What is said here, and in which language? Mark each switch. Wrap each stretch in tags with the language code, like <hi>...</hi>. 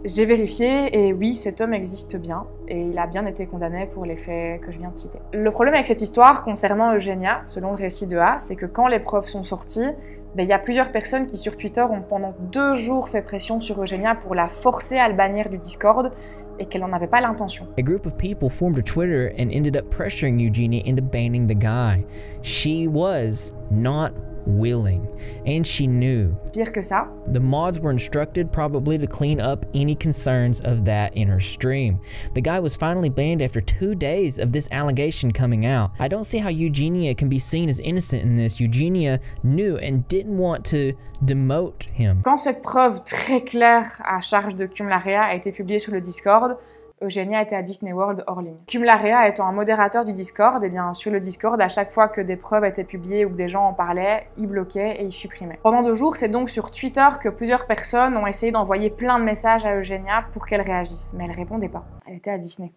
<fr>J'ai vérifié et oui, cet homme existe bien et il a bien été condamné pour les faits que je viens de citer. Le problème avec cette histoire concernant Eugenia, selon le récit de A, c'est que quand les preuves sont sorties, Mais il y a plusieurs personnes qui sur Twitter ont pendant 2 jours fait pression sur Eugenia pour la forcer à le bannir du Discord et qu'elle n'en avait pas l'intention.</fr> <en>A group of people formed a Twitter and ended up pressuring Eugenia into banning the guy. She was not willing, and she knew.</en> <fr>Pire que ça.</fr> <en>The mods were instructed probably to clean up any concerns of that in her stream. The guy was finally banned after 2 days of this allegation coming out. I don't see how Eugenia can be seen as innocent in this. Eugenia knew and didn't want to demote him.</en> <fr>Quand cette preuve très claire à charge de Cum Laurea a été publiée sur le Discord, Eugenia était à Disney World hors ligne. Cum Laurea étant un modérateur du Discord, eh bien, sur le Discord, à chaque fois que des preuves étaient publiées ou que des gens en parlaient, ils bloquaient et ils supprimaient. Pendant 2 jours, c'est donc sur Twitter que plusieurs personnes ont essayé d'envoyer plein de messages à Eugenia pour qu'elle réagisse, mais elle répondait pas. Elle était à Disney.</fr>